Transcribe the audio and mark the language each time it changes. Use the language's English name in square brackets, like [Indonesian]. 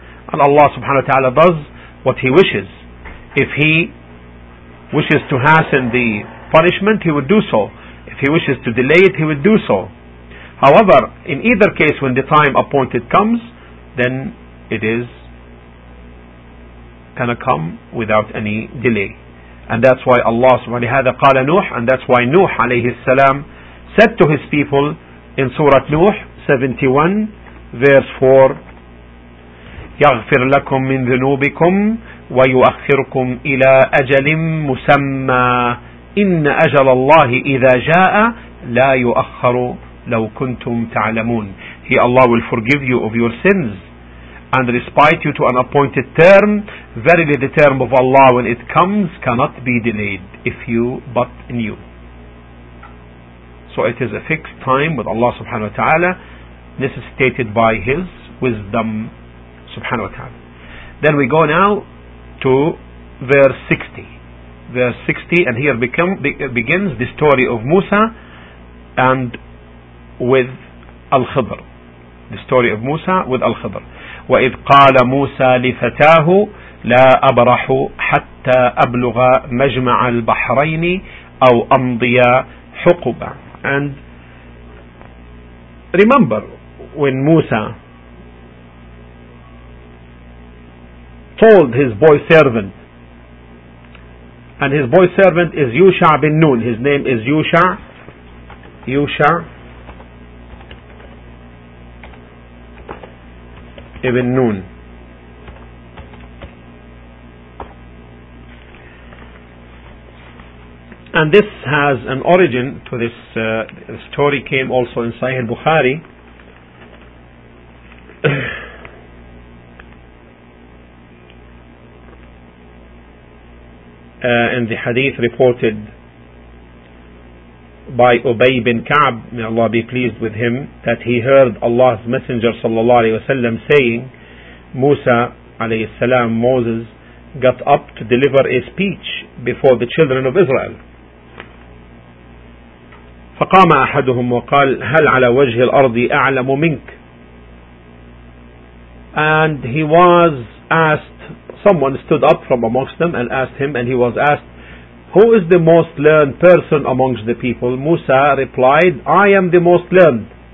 [English] And Allah subhanahu wa ta'ala does what He wishes. If He wishes to hasten the punishment, He would do so. If He wishes to delay it, He would do so. However, in either case, when the time appointed comes, then it is gonna come without any delay. And that's why Allah subhanahu wa ta'ala [Arabic] قَالَ نُوحٌ, [English] and that's why Nuh alayhi salam said to his people in Surah Nuh 71:4, [Arabic] يغفر لكم من ذنوبكم ويؤخركم إلى أجل مسمى إن أجل الله إذا جاء لا يؤخر لو كنتم تعلمون. [English] He, Allah, will forgive you of your sins and respite you to an appointed term. Verily the term of Allah when it comes cannot be delayed if you but knew. So it is a fixed time with Allah subhanahu wa ta'ala, necessitated by His wisdom subhanahu wa ta'ala. Then we go now to verse 60, and here begins the story of Musa and with Al-Khidr. The story of Musa with Al-Khidr. [Arabic] وَإِذْ قَالَ مُوسَى لِفَتَاهُ لَا أَبْرَحُ حَتَّى أَبْلُغَ مَجْمَعَ الْبَحْرَيْنِ أَوْ أَمْضِيَ حُقُبًا. [English] And remember when Musa told his boy servant, and his boy servant is Yusha bin Nun, his name is Yusha ibn Nun. And this has an origin to this story, came also in Sahih al-Bukhari. In the hadith reported by Ubay bin Ka'b, may Allah be pleased with him, that he heard Allah's Messenger sallallahu alayhi wa sallam saying, Musa alayhi salam, Moses, got up to deliver a speech before the children of Israel. [Arabic] فقام أحدهم وقال هل على وجه الأرض أعلم منك. [English] And he was asked, someone stood up from amongst them and asked him, and he was asked, who is the most learned person amongst the people? Musa replied, I am the most learned.